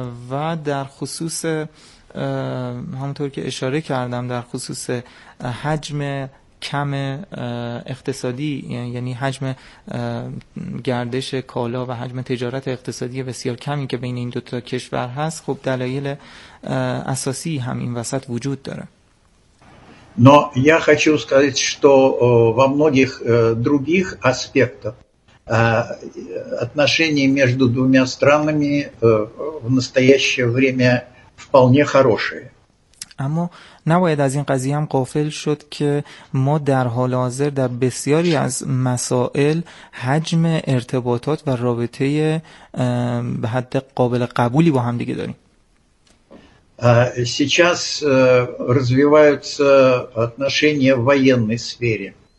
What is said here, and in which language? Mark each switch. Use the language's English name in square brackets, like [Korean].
[Persian] و در خصوص همونطور که اشاره کردم در خصوص حجم کم اقتصادی، یعنی حجم گردش کالا و حجم تجارت اقتصادی بسیار کمی که بین این دو تا کشور هست، خب دلایل اساسی هم این وسط وجود داره. [Russian] Но я хочу сказать, что во многих других аспектах отношения между двумя странами в настоящее время вполне хорошие. Но [Persian] نباید از این قضیه هم غافل شد که ما در حال حاضر در بسیاری از مسائل حجم ارتباطات و رابطه به حد قابل قبولی با هم دیگه داریم. [Russian] Сейчас развиваются отношения в военной сфере.